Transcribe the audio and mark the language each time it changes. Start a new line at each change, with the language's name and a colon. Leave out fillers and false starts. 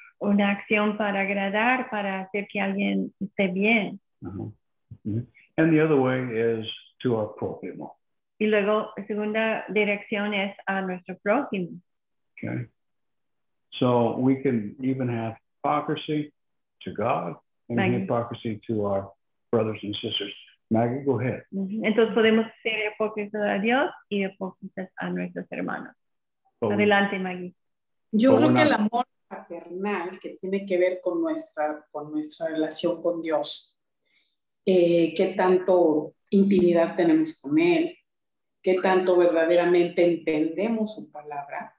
Spanish: Una acción para agradar, para hacer que alguien esté bien.
English: And the other way is to our prójimo.
Spanish: Y luego, segunda dirección es a nuestro prójimo.
English: Okay. So we can even have hypocrisy to God and Maggie. Hypocrisy to our brothers and sisters. Maggie, go ahead.
Spanish: Entonces podemos ser hipócritas a Dios y hipócritas a nuestros hermanos. But adelante, Maggie. Yo creo que el amor paternal que tiene que ver con nuestra relación con Dios, qué tanto intimidad tenemos con Él, qué tanto verdaderamente entendemos su palabra.